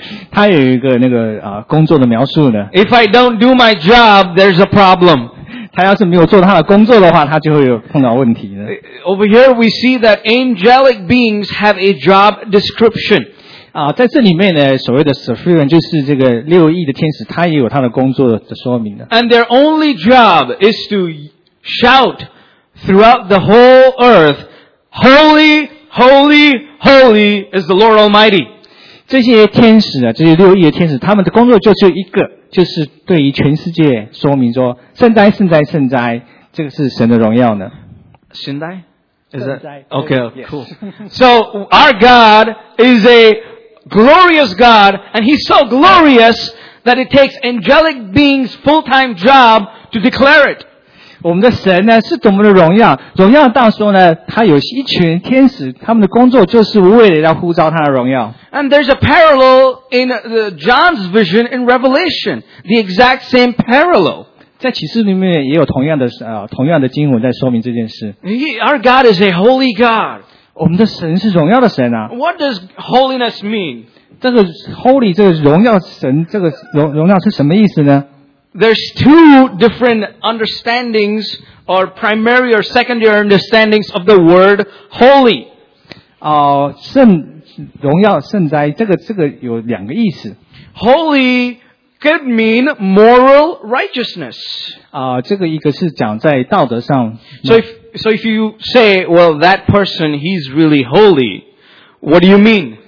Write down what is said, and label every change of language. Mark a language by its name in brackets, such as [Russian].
[Chinese] 他有一个那个工作的描述呢。 [English] If I don't do my job, there's a problem. [Chinese] 他要是没有做他的工作的话，他就会有碰到问题了。 [English] Over here we see that angelic beings have a job description. [Chinese] 在这里面呢，所谓的 seraphim 就是这个六翼的天使，他也有他的工作的说明的。 [English] And their only job is to shout throughout the whole earth,Holy, holy, holy is the Lord Almighty. [Chinese] 这些天使啊，这些六翼的天使，他们的工作就只有一个，就是对于全世界说明说，圣哉，圣哉，圣哉，这个是神的荣耀呢。圣哉？圣哉。 [English] Okay, cool. So, our God is a glorious God, and He's so glorious that it takes angelic beings' full-time job to declare it. [Chinese] 我们的神呢是多么的荣耀，荣耀到说呢，他有一群天使，他们的工作就是为了要呼召他的荣耀。 [English] And there's a parallel in John's vision in Revelation, the exact same parallel. [Chinese] 在启示里面也有同样的经文在说明这件事。 [English] Our God is a holy God. [Chinese] 我们的神是荣耀的神啊。 [English] What does holiness mean? [Chinese] 这个 holy 这个荣耀神这个荣耀是什么意思呢？ [English] There's two different understandings or primary or secondary understandings of the word holy. [Chinese] 圣荣耀圣哉这个有两个意思。 [English] Holy could mean moral righteousness. [Chinese] 这个一个是讲在道德上。 [English] So if you say, well, that person, he's really holy, what do you mean?